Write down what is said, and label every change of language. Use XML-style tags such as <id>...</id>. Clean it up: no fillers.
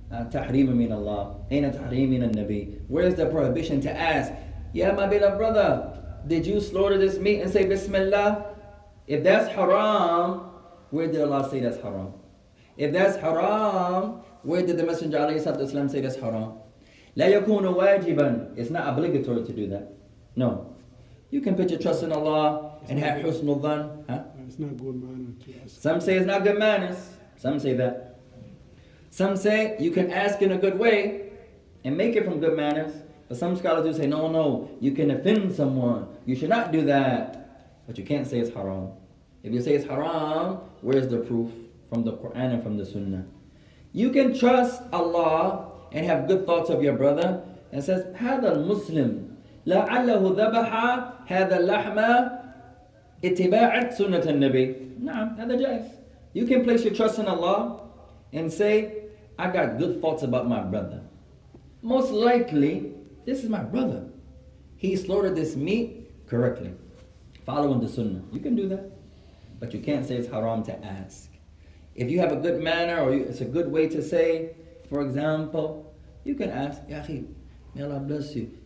<ar>تحريم من الله أين تحريم من النبي.</ar> <en>Where is the prohibition to ask, Ya my beloved brother, did you slaughter this meat and say Bismillah? If that's haram, where did Allah say that's haram? If that's haram, where did the Messenger عليه الصلاة والسلام say that's haram?</en> <ar>لا يكون واجبا.</ar> <en>It's not obligatory to do that. No, you can put your trust in Allah and have حسن الظن. It's not good manners to ask. Some say it's not good manners. Some say that. Some say you can ask in a good way and make it from good manners. But some scholars do say, no, no, you can offend someone. You should not do that. But you can't say it's haram. If you say it's haram, where's the proof? From the Quran and from the Sunnah. You can trust Allah and have good thoughts of your brother.</en> <ar>And says, هذا المسلم لعله ذبح هذا اللحم اتباع سنة النبي. نعم, هذا جائز.</ar> <en>You can place your trust in Allah and say, I got good thoughts about my brother. Most likely, this is my brother. He slaughtered this meat correctly, following the sunnah. You can do that, but you can't say it's haram to ask. If you have a good manner, or it's a good way to say, for example, you can ask, Ya Akhi, may Allah bless you.</en>